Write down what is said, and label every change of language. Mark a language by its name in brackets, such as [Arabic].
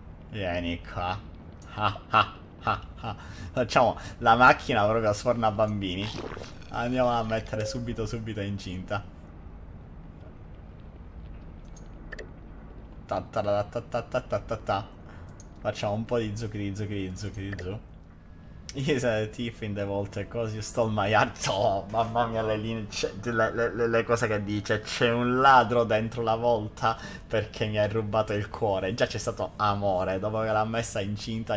[Italian] Vieni qua. Facciamo la macchina proprio a sforna bambini. Andiamo a mettere subito, subito incinta. Tatta tatta tatta tatta. Facciamo un po' di zucchi di zucchi di zucchi di zucchi di zucchi. [English] He's a thief in the vault because you stole my heart. [Italian] Oh, mamma mia, le linee. Le cose che dice. C'è un ladro dentro la volta perché mi hai rubato il cuore. Già c'è stato amore dopo che l'ha messa incinta.